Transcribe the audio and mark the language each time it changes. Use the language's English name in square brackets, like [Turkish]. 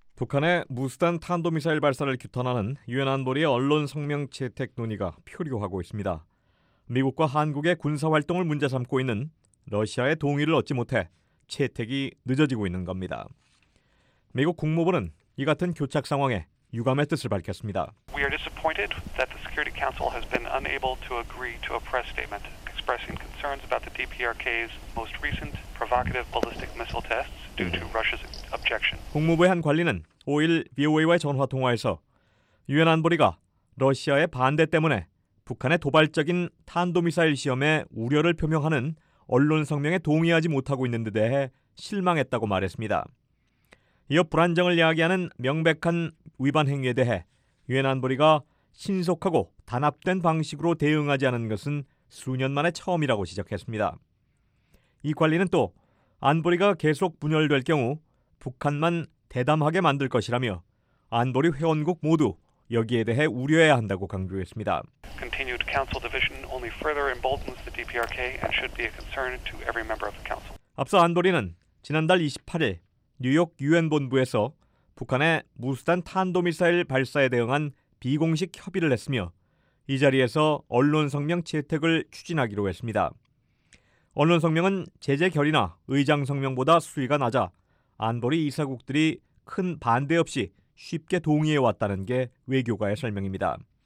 [Korean] 북한의 무수단 탄도미사일 발사를 규탄하는 유엔 안보리의 언론 성명 채택 논의가 표류하고 있습니다. 미국과 한국의 군사활동을 문제삼고 있는 러시아의 동의를 얻지 못해 채택이 늦어지고 있는 겁니다. 미국 국무부는 이 같은 교착 상황에 유감의 뜻을 밝혔습니다. [English] We are disappointed that the Security Council has been unable to agree to a press statement expressing concerns about the DPRK's most recent provocative ballistic missile tests due to Russia's objection. [Korean] 국무부의 한 관리는 5일 VOA와의 전화 통화에서 유엔 안보리가 러시아의 반대 때문에 북한의 도발적인 탄도미사일 시험에 우려를 표명하는 언론 성명에 동의하지 못하고 있는 데 대해 실망했다고 말했습니다. 이어 불안정을 야기하는 명백한 위반 행위에 대해 유엔 안보리가 신속하고 단합된 방식으로 대응하지 않은 것은 수년 만에 처음이라고 지적했습니다. 이 관리는 또 안보리가 계속 분열될 경우 북한만 대담하게 만들 것이라며 안보리 회원국 모두 여기에 대해 우려해야 한다고 강조했습니다. [English] Continued council division only further emboldens the DPRK and should be a concern to every member of the council. [Korean] 앞서 안보리는 지난달 28일 뉴욕 유엔 본부에서 북한의 무수단 탄도미사일 발사에 대응한 비공식 협의를 했으며 이 자리에서 언론 성명 채택을 추진하기로 했습니다. 언론 성명은 제재 결의나 의장 성명보다 수위가 낮아 안보리 이사국들이 큰 반대 없이 쉽게 동의해 왔다는 게 외교가의 설명입니다.